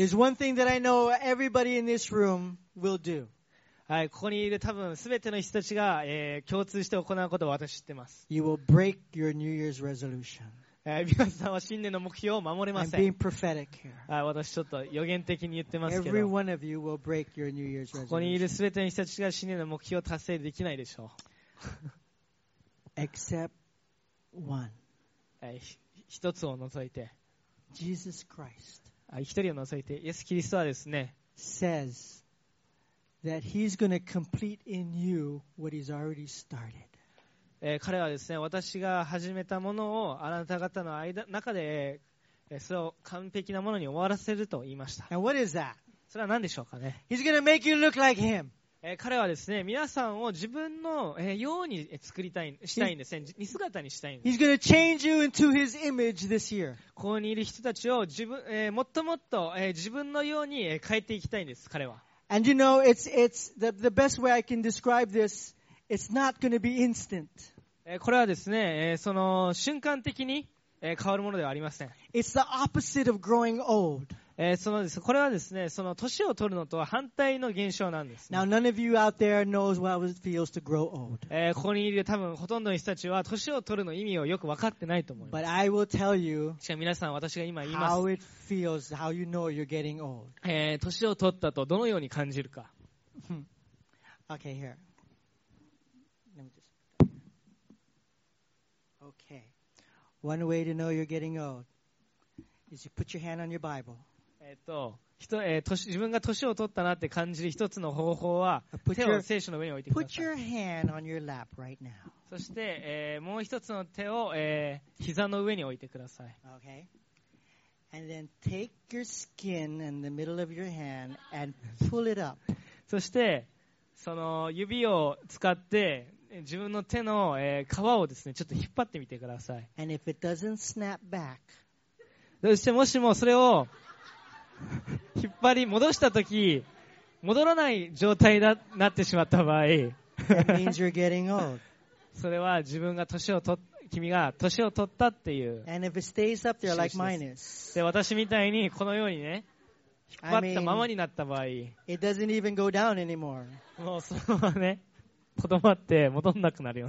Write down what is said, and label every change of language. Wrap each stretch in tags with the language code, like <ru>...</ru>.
<en>There's one thing that I know everybody in this room will do.</en> <ja>はい、ここにいる多分すべての人たちが、共通して行うことを私知ってます。</ja> <en>You will break your New Year's resolution.</en> <ja>皆さんは新年の目標を守れません。</ja> <en>I'm being prophetic here.</en> <ja>はい、私ちょっと予言的に言ってますけど。</ja> <en>Every one of you will break your New Year's resolution.</en> <ja>ここにいるすべての人たちが新年の目標を達成できないでしょう。</ja> <en>Except One.</en> <ja>一つを除いて、</ja> <en>Jesus Christ.</en> <ja>一人を除いて、イエス・キリストはですね、</ja> <en>says that he's going to complete in you what he's already started.</en> <ja>彼はですね、私が始めたものをあなた方の間中で、それを完璧なものに終わらせると言いました。</ja> <en>And what is that?</en> <ja>それは何でしょうかね。</ja> <en>He's going to make you look like him.</en> <ja>彼はですね、皆さんを自分のように作りたい、したいんですね。似姿にしたいんです。</ja> <en>He's gonna change you into his image this year.</en> <ja>ここにいる人たちを自分、もっともっと、自分のように変えていきたいんです、彼は。</ja> <en>And you know, it's the best way I can describe this, it's not gonna be instant.</en> <ja>これはですね、その瞬間的に変わるものではありません。</ja> <en>It's the opposite of growing old.</en> <ja>そのです、これはですね、その年を取るのとは反対の現象なんです、ね。</ja> <en>Now, none of you out there knows what it feels to grow old.</en> <ja>ここにいる多分ほとんどの人たちは年を取るの意味をよく分かってないと思います。</ja> <en>But I will tell you.</en> <ja>しかも皆さん、私が今言います。</ja> <en>How it feels, how you know you're getting old.</en> <ja>年を取ったとどのように感じるか。</ja> <en>Okay, here. Let me just. Okay. One way to know you're getting old is you put your hand on your Bible.</en> <ja>自分が年を取ったなって感じる一つの方法は手を聖書の上に置いてください。</ja> <en>Put your hand on your lap right now.</en> <ja>そして、もう一つの手を、膝の上に置いてください。</ja> <en>Okay. And then take your skin in the middle of your hand and pull it up.</en> <ja>そしてその指を使って自分の手の、皮をですねちょっと引っ張ってみてください。</ja> <en>And if it doesn't snap back.</en> <ja>そしてもしもそれを引っ張り戻したとき戻らない状態になってしまった場合</ja> <en>That means you're getting old.</en> <ja>それは自分が君が年を取ったっていう。</ja> <en>And if it stays up there like mine is.</en> <ja>で私みたいにこのようにね引っ張ったままになった場合</ja> <en>I mean, it doesn't even go down anymore.</en> <ja>もうそのままねとどまって戻んなくなるよ。</ja>